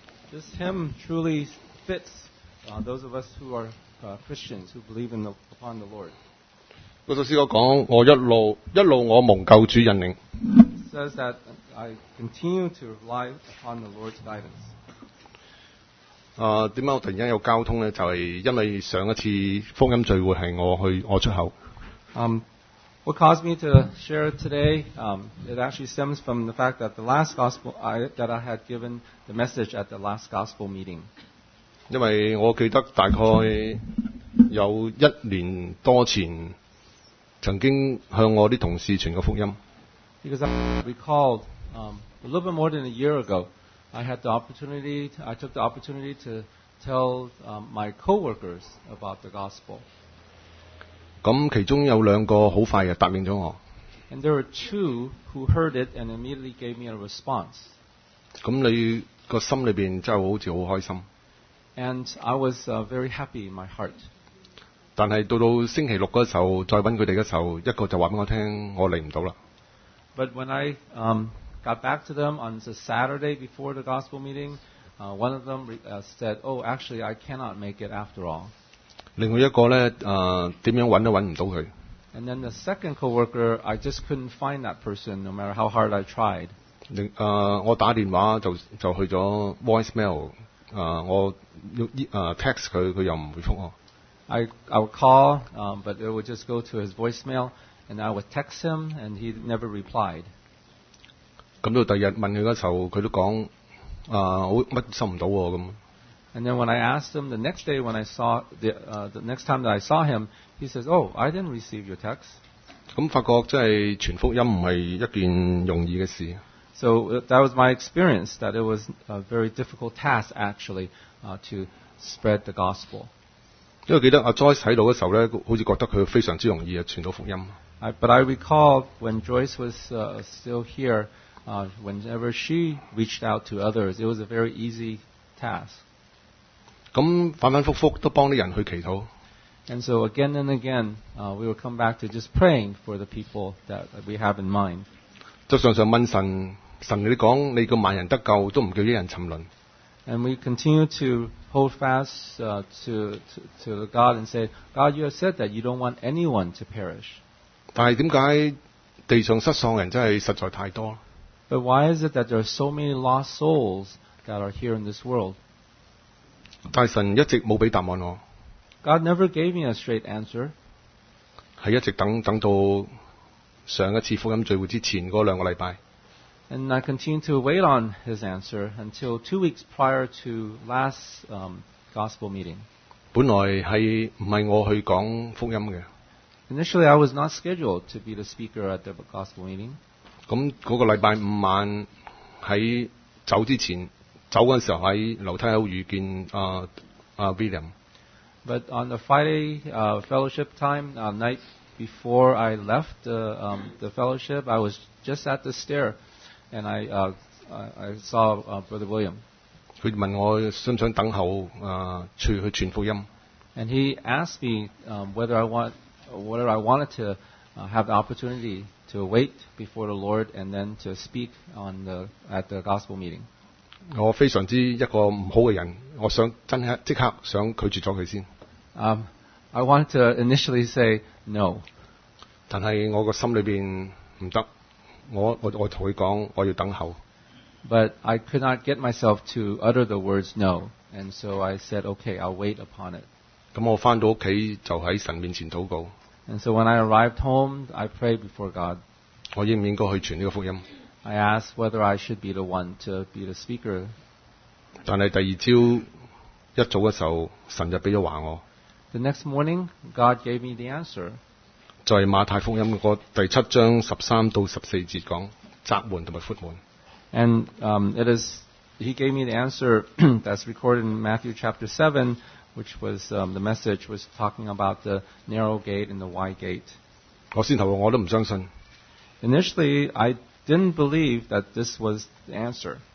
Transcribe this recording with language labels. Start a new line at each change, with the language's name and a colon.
English: This hymn truly fits those of us who are Christians who believe upon the Lord。
Cantonese: 嗰首诗歌讲我一路我蒙救主引领。
English: It says that I continue to rely upon the Lord's guidance。
Cantonese: 点解我突然间有交通呢？就系因为上一次福音聚会系我出口。
English: What caused me to share today, it actually stems from the fact that the last gospel, that I had given the message at the last gospel meeting.
Cantonese: 因为我记得大概有一年多前曾经向我的同事传过福音。
English: Because I recalled, a little bit more than a year ago, I took the opportunity to tell, my co-workers about the gospel.
Cantonese: 咁其中有兩個好快就答應咗我。
English: And there were two who heard it and immediately gave me a response.
Cantonese: 咁你個心裏面真係好似好開心。
English: And I was very happy in my heart.
Cantonese: 但係到星期六嗰時候再揾佢哋嘅時候，一個就話俾我聽，我嚟唔到啦。
English: But when I got back to them on the Saturday before the gospel meeting, one of them said, "Oh, actually, I cannot make it after all."
Cantonese: 另外一個呢點樣找都找不到佢。
English: And then the second coworker, I just couldn't find that person, no matter how hard I tried.
Cantonese: 我打電話 就去咗 voicemail, 我用text 佢，佢又唔回覆我。
English: I would call, but it would just go to his voicemail, and I would text him, and he never replied.
Cantonese: 咁到第日問佢嗰時候，佢都講好乜收唔到喎咁。
English: And then when I asked him the next day, when I saw the next time that I saw him, he says, "Oh, I didn't receive your text."
Cantonese: 咁發覺即係傳福音唔係一件容易嘅事。
English: So that was my experience, that it was a very difficult task actually to spread the gospel.
Cantonese: 因為記得阿 Joyce 喺度嘅時候咧，好似覺得佢非常之容易啊，傳到福音。
English: But I recall when Joyce was still here, whenever she reached out to others, it was a very easy task.
Cantonese: 咁反反覆覆都幫啲人去祈禱。
English: And so again and again, we will come back to just praying for the people that we have in mind.
Cantonese: 就常常問神，神你講你個萬人得救都唔叫一人沉淪。
English: And we continue to hold fast to God and say, God, you have said that you don't want anyone to perish.
Cantonese: 但係點解地上失喪人真係實在太多
English: ？But why is it that there are so many lost souls that are here in this world?
Cantonese: 但是神一直冇俾答案我。
English: God never gave me a straight answer。
Cantonese: 系一直等到上一次福音聚会之前嗰两个礼拜。
English: And I continued to wait on His answer until 2 weeks prior to last gospel meeting。
Cantonese: 本来系唔系我去讲福音嘅。
English: Initially, I was not scheduled to be the speaker at the gospel meeting。
Cantonese: 咁嗰个礼拜五晚喺走之前。走嗰時候喺樓梯口遇見William。
English: But on the Friday fellowship time, night before I left the fellowship, I was just at the stair and I saw Brother William.
Cantonese: 佢問我想唔想等候去傳福音。
English: And he asked me whether I wanted to have the opportunity to wait before the Lord and then to speak at the gospel meeting.
Cantonese: 我非常之一个唔好嘅人，我想真系即刻想拒绝咗佢先。
English: I wanted to initially say no，
Cantonese: 但系我个心里边唔得，我同佢讲我要等候。
English: But I could not get myself to utter the words no， and so I said okay， I'll wait upon it。
Cantonese: 咁我翻到屋企就喺神面前祷告。
English: And so when I arrived home， I prayed before God。
Cantonese: 我应唔应该去传呢个福音？
English: I asked whether I should be the one to be the speaker.
Cantonese: 但是第二朝一早的时候神就给了话我。
English: The next morning, God gave me the answer.
Cantonese: 就是马太福音的第七章十三到十四节讲窄门和阔门。
English: And it is, he gave me the answer that's recorded in Matthew chapter 7, which was the message was talking about the narrow gate and the wide gate.
Cantonese: 我先头我都不相信。
English: Initially, I didn't believe that this was the answer.